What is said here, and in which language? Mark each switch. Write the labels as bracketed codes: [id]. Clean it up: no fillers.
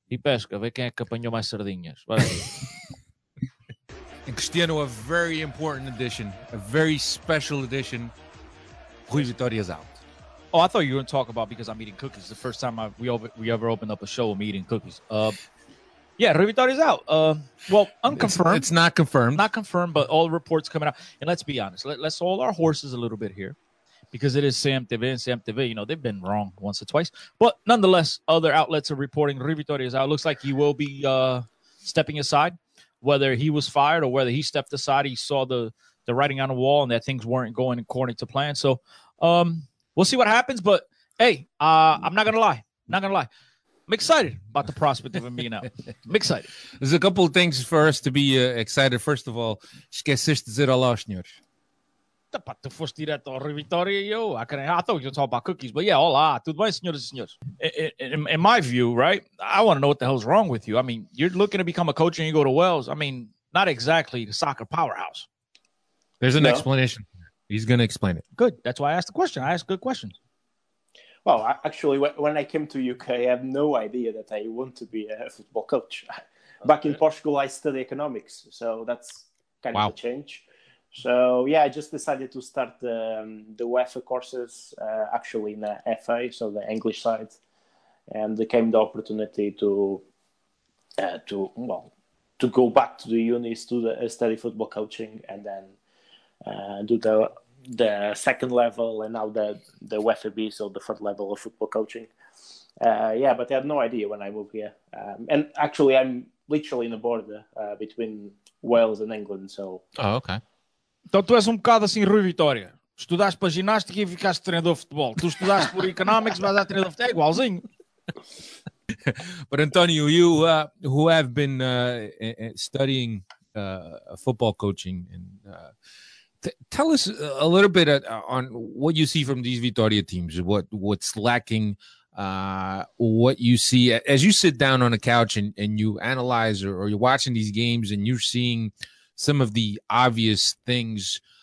[pt] E pesca, vê quem é que apanhou mais sardinhas. [en] And Cristiano, a very important addition, a very special addition. Rui Vitória is out. Oh, I thought you were going to talk about because I'm eating cookies. It's the first time we ever opened up a show with me eating cookies. Rui Vitória is out. Well, unconfirmed. It's not confirmed. Not confirmed, but all reports coming out. And let's be honest. Let's hold our horses a little bit here because it is CMTV and CMTV. You know, they've been wrong once or twice. But nonetheless, other outlets are reporting Rui Vitória is out. Looks like he will be stepping aside. Whether he was fired or whether he stepped aside, he saw the writing on the wall and that things weren't going according to plan. So we'll see what happens. But, hey, I'm not going to lie. Not going to lie. I'm excited about the prospect of him being out. I'm excited. There's a couple of things for us to be excited. First of all, [pt] esqueceste de dizer olá, senhores. Tu foste direto ao Rui Vitória, yo. [en] I thought we were going to talk about cookies. But, yeah, [pt] olá. Tudo bem, senhores e senhores? [en] In my view, right, I want to know what the hell's wrong with you. I mean, you're looking to become a coach and you go to Wells. I mean, not exactly the soccer powerhouse. There's an explanation. He's going to explain it. Good. That's why I asked the question. I asked good questions. Well, actually, when I came to UK, I had no idea that I want to be a football coach. Back in Portugal, I studied economics. So that's kind of a change. So, yeah, I just decided to start the UEFA courses, actually in the FA, so the English side, and there came the opportunity to go back to the unis to study football coaching and then do the second level and now the UEFA B, so the third level of football coaching. But I had no idea when I moved here. And actually, I'm literally in the border between Wales and England, so... Oh, okay. [pt] Então tu és bocado assim, Rui Vitória. Estudaste para ginástica e ficaste treinador de futebol. Tu estudaste por economics, vais a treinador de futebol. É igualzinho. [en] But Antonio, you who have been studying football coaching, and tell us a little bit on what you see from these Vitória teams. What's lacking? What you see as you sit down on a couch and you analyze or you're watching these games and you're seeing some of the obvious things.